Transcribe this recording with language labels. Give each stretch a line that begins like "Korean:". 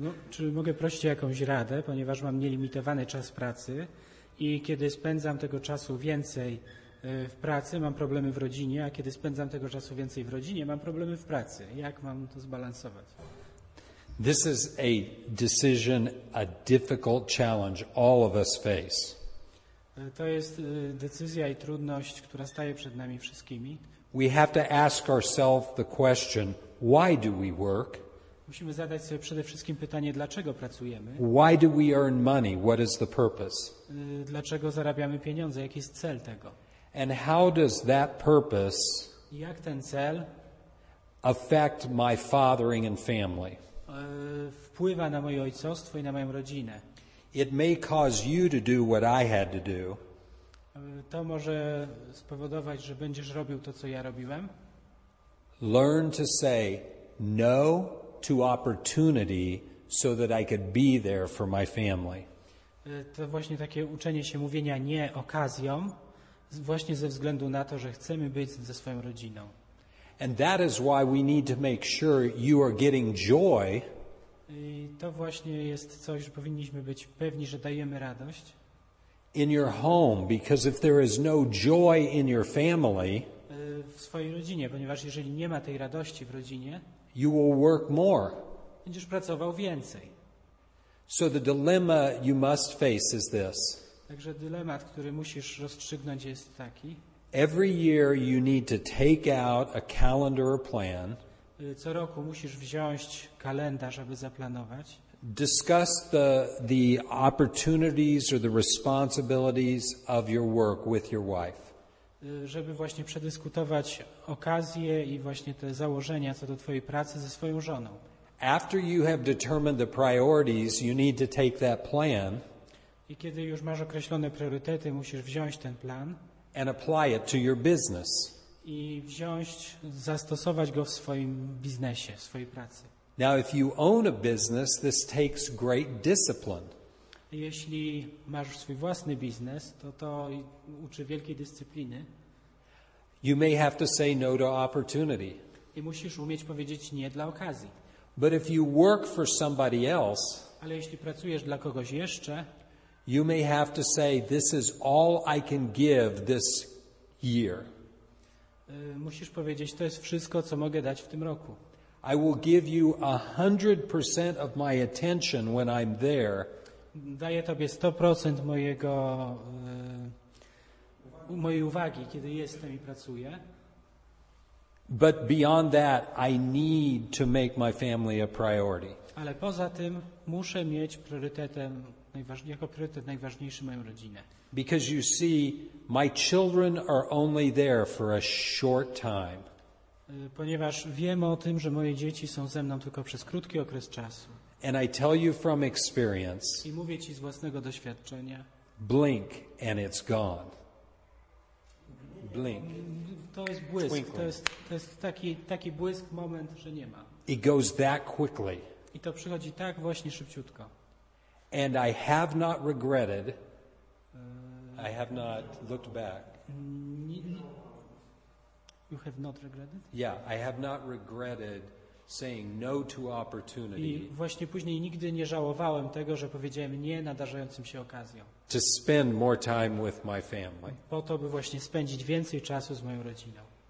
Polish: Czy mogę prosić o jakąś radę, ponieważ mam nielimitowany czas pracy i kiedy spędzam tego czasu więcej w pracy, mam problemy w rodzinie, a kiedy spędzam tego czasu więcej w rodzinie, mam problemy w pracy. Jak mam to zbalansować?
English: This is a decision, a difficult challenge all of us face.
Polish: To jest decyzja i trudność, która staje przed nami wszystkimi.
English: We have to ask ourselves the question, why do we work?
Polish: Musimy zadać sobie przede wszystkim pytanie, dlaczego pracujemy?
English: Why do we earn money? What is the purpose?
Polish: Dlaczego zarabiamy pieniądze? Jaki jest cel tego?
English: And how does that purpose
Polish: jak ten cel
English: affect my fathering and family?
Polish: Wpływa na moje ojcostwo i na moją rodzinę.
English: It may cause you to do what I had to do.
Polish: To może spowodować, że będziesz robił to, co ja robiłem.
English: Learn to say no to opportunity so that I could be there for my family.
Polish: To właśnie takie uczenie się mówienia nie okazjom, właśnie ze względu na to, że chcemy być ze swoją rodziną.
English: And that is why we need to make sure you are getting joy.
Polish: I to właśnie jest coś, że powinniśmy być pewni, że dajemy radość.
English: In your home, because if there is no joy in your family,
Polish: w swojej rodzinie, ponieważ jeżeli nie ma tej radości w rodzinie,
English: you will work more.
Polish: Będziesz pracował więcej.
English: So the dilemma you must face is this.
Polish: Także dylemat, który musisz rozstrzygnąć, jest taki.
English: Every year you need to take out a calendar or plan.
Polish: Co roku musisz wziąć kalendarz, aby zaplanować.
English: Discuss the opportunities or the responsibilities of your work with your wife.
Polish: Żeby właśnie przedyskutować okazje i właśnie te założenia co do twojej pracy ze swoją żoną.
English: After you have determined the priorities, you need to take that plan.
Polish: I kiedy już masz określone priorytety, musisz wziąć ten plan.
English: And apply it to your business.
Polish: I wziąć, zastosować go w swoim biznesie, w swojej pracy.
English: Now, if you own a business, this takes great discipline.
Polish: Jeśli masz swój własny biznes, to uczy wielkiej dyscypliny.
English: You may have to say no to opportunity.
Polish: I musisz umieć powiedzieć nie dla okazji.
English: But if you work for somebody else,
Polish: ale jeśli pracujesz dla kogoś jeszcze,
English: you may have to say this is all I can give this year.
Polish: Musisz powiedzieć, to jest wszystko, co mogę dać w tym roku.
English: I will give you 100% of my attention when I'm there.
Polish: Daję tobie 100% mojego mojej uwagi, kiedy jestem i pracuję.
English: But beyond that, I need to make my family a priority.
Polish: Ale poza tym muszę mieć priorytetem jako priorytet najważniejszy moją rodzinę.
English: Because you see, my children are only there for a short time.
Polish: Ponieważ wiemy o tym, że moje dzieci są ze mną tylko przez krótki okres czasu.
English: And I tell you from experience.
Polish: I mówię ci z własnego doświadczenia.
English: Blink and it's gone. Blink.
Polish: To jest błysk.
English: Twinkling.
Polish: To jest taki błysk moment, że nie ma.
English: It goes that quickly.
Polish: I to przychodzi tak właśnie szybciutko.
English: And I have not regretted. I have not looked back. You have not regretted? Yeah, I have not regretted saying no to opportunity.
Polish: I właśnie później nigdy nie żałowałem tego, że powiedziałem nie nadarzającym się okazjom. To spend more time with my family. Po to, by właśnie spędzić więcej czasu z moją rodziną.